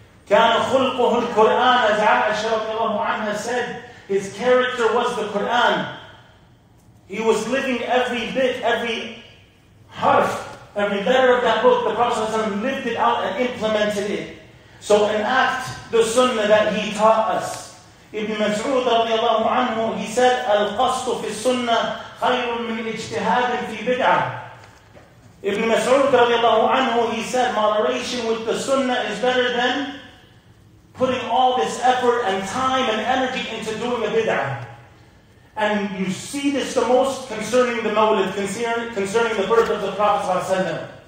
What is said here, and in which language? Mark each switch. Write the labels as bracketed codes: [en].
[ar] كَانَ خُلْقُهُ الْقُرْآنَ [en] as Aisha radiallahu anha said, his character was the Qur'an. He was living every bit, every harf, every letter of that book. The Prophet ﷺ lived it out and implemented it. So enact the sunnah that he taught us. Ibn Mas'ud radiallahu anhu, he said, [ar] الْقَصْدُ فِي السُنَّةِ خَيْرٌ مِنْ اجْتِهَادٍ فِي بِدْعَةٍ. [en] Ibn Mas'ud radiallahu anhu, he said, moderation with the sunnah is better than putting all this effort and time and energy into doing a bid'ah. And you see this the most concerning the mawlid, concerning the birth of the Prophet ﷺ.